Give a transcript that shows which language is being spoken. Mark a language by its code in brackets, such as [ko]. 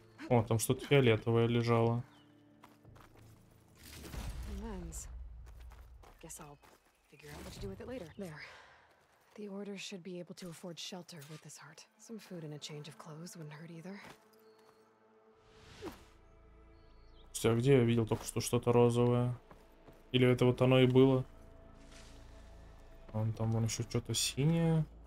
[ru] О, там что-то фиолетовое лежало. [en] Lens. Guess I'll figure out what to do with it later. There. The order should be able to afford shelter with this heart. Some food and a change of clothes wouldn't hurt either. [ru] Все, где я видел только что что-то розовое? Или это вот оно и было? Вон там вон еще что-то синее.